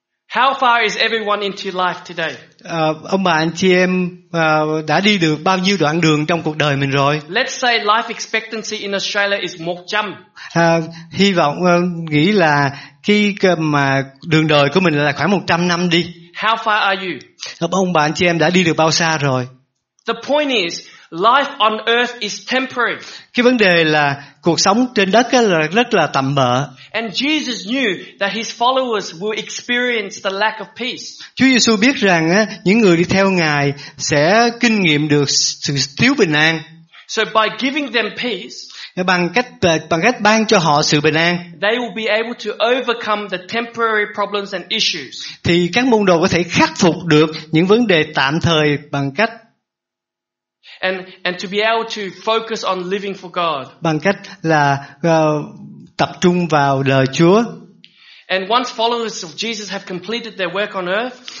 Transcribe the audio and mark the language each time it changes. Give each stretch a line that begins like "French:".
English: How far is everyone into life today?
Vietnamese: Ông bà anh chị em đã đi được bao nhiêu đoạn đường trong cuộc đời mình rồi?
English: Let's say life expectancy in Australia is 100.
Vietnamese: Hy vọng nghĩ là khi mà đường đời của mình là khoảng 100 năm đi.
English: How far are you?
Vietnamese: Ông bà anh chị em đã đi được bao xa rồi?
English: The point is life on earth is temporary.
Vietnamese: Cái vấn đề là cuộc sống trên đất là rất là tạm bợ.
English: And Jesus knew that his followers will experience the lack of peace.
Vietnamese: Chúa Giêsu biết rằng những người đi theo Ngài sẽ kinh nghiệm được sự thiếu bình an.
English: So by giving them peace,
Vietnamese: bằng cách ban cho họ sự bình an,
English: they will be able to overcome the temporary problems and issues.
Vietnamese: Thì các môn đồ có thể khắc phục được những vấn đề tạm thời bằng cách
English: and to be able to focus on living for God.
Vietnamese: Bằng cách là tập trung vào lời Chúa.
English: And once followers of Jesus have completed their work on earth,